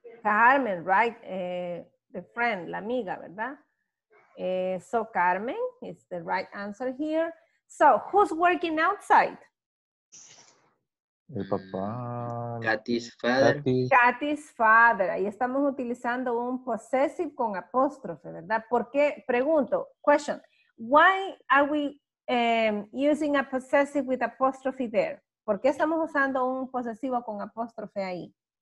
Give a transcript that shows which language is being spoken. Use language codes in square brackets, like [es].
[en] Carmen, right? The friend, [es] la amiga, ¿verdad? [en] So, Carmen is the right answer here. So, who's working outside? [es] El papá. [en] Katy's father. Katy's father. [es] Ahí estamos utilizando un possessive con apóstrofe, ¿verdad? ¿Por qué? Pregunto. Question. [en] Why are we using a possessive with apostrophe there? [es] ¿Por qué estamos usando un posesivo con apóstrofe ahí?